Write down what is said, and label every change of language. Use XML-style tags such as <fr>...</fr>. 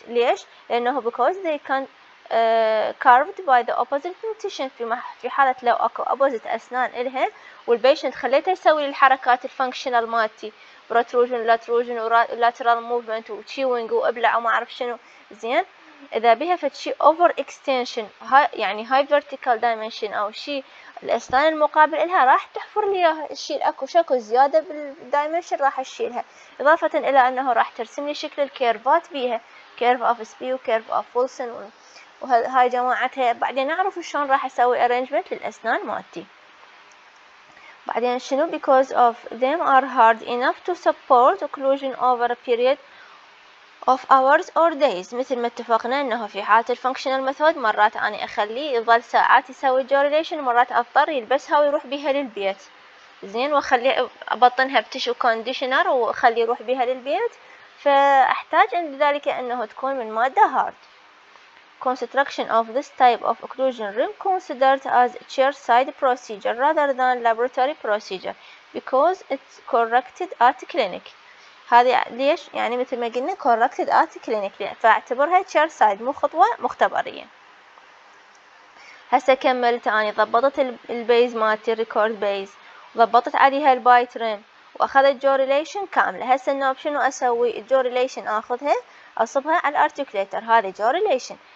<ar>ليش؟ لأنه</ar> <en>because they can carved by the opposite dentition.</en> <ar>في حالة لو اكو opposite أسنان إلها والبيشنت خليته يسوي الحركات الفانكشنال مالتي بروتروجن لاتروجن ولاترال موفمنت وتشيوينج وابلع وما اعرف شنو، زين اذا بها فتشي اوفر اكستنشن يعني هاي فيرتيكال دايمنشن او شيء الأسنان المقابل إلها راح تحفر لي اياها، تشيل اكو شكو زيادة بالدايمنشن راح اشيلها، اضافة الى انه راح ترسم لي شكل الكيرفات بيها كيرف اوف سبي وكيرف اوف فولسن وهاي جماعتها، بعدين اعرف شلون راح اسوي ارنجمنت للاسنان مالتي. بعدين شنو؟</ar> <en>because of them are hard enough to support occlusion over a period of hours or days.</en> <ar>مثل ما اتفقنا انه في حالة الفانكشنال ميثود مرات انا اخليه يظل ساعات يسوي جوريليشن، مرات اضطر يلبسها ويروح بها للبيت زين واخليه ابطنها بتشو كونديشنر واخليه يروح بها للبيت، فاحتاج ان لذلك انه تكون من مادة هارد.</ar> <en>Construction of this type of occlusion rim considered as chairside procedure rather than laboratory procedure because it's corrected at clinic.</en> <ar>هذه ليش؟ يعني مثل ما قلنا</ar> <en>corrected at clinic</en> <ar>فاعتبرها chairside مو خطوة مختبرية. هسه كملت أنا ضبطت البيز مالتي record بيز وضبطت عليها البايت ريم وأخذت جوريليشن كاملة، هسه إنه شنو أسوي؟ الجوريليشن آخذها أصبها على الأرتيكليتر، هذه جوريليشن.</ar>